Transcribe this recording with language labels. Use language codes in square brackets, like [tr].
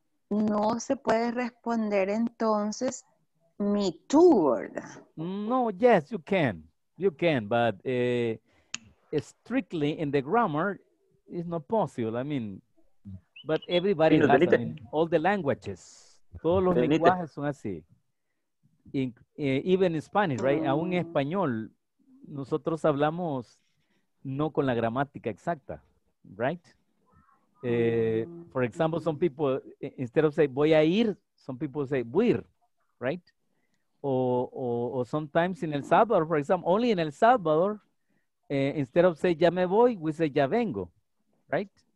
[es] No se puede responder entonces. [en] Me too, [es] ¿verdad? [en] No, yes, you can. You can, but strictly in the grammar, it's not possible. I mean, but everybody has, I mean, all the languages. [es] Todos los lenguajes son así. [en] Even in Spanish, right? [es] Aún en español, nosotros hablamos no con la gramática exacta, right? [en] For example, some people, instead of say, [es] voy a ir, [en] some people say, voy a ir, right? Or sometimes in El Salvador, for example, only in El Salvador, instead of say, [es] ya me voy, [en] we say, [es] ya vengo, [en] right?